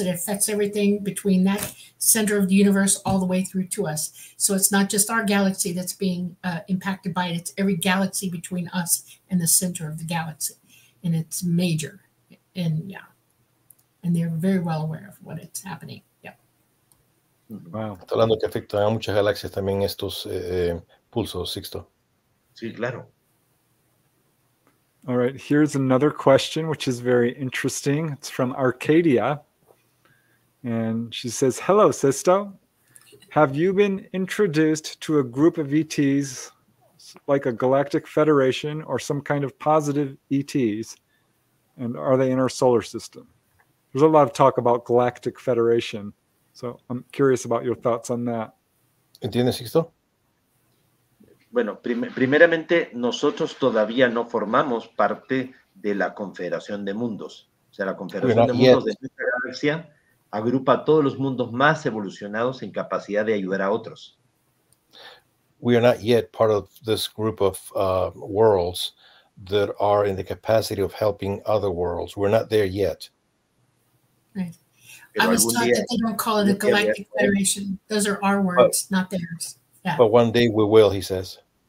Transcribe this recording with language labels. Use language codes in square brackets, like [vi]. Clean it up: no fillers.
[en] It affects everything between that center of the universe all the way through to us. So it's not just our galaxy that's being impacted by it. It's every galaxy between us and the center of the galaxy. And it's major. And yeah. And they're very well aware of what it's happening. Yep. Wow. [es] Está hablando que afecta a muchas galaxias también estos pulsos, Sixto. Sí, claro. [en] All right, here's another question, which is very interesting. It's from Arcadia. And she says, hello, Sixto. Have you been introduced to a group of ETs, like a galactic federation or some kind of positive ETs? And are they in our solar system? There's a lot of talk about Galactic Federation, so I'm curious about your thoughts on that. [es] ¿Entiendes esto? Bueno, primeramente, nosotros todavía no formamos parte de la Confederación de Mundos. O sea, la Confederación de Mundos de nuestra galaxia agrupa a todos los mundos más evolucionados en capacidad de ayudar a otros. [en] We are not yet part of this group of worlds that are in the capacity of helping other worlds. We're not there yet. Right. I was taught that they don't call it a galactic federation. Those are our words, not theirs. Yeah. But one day we will, he says.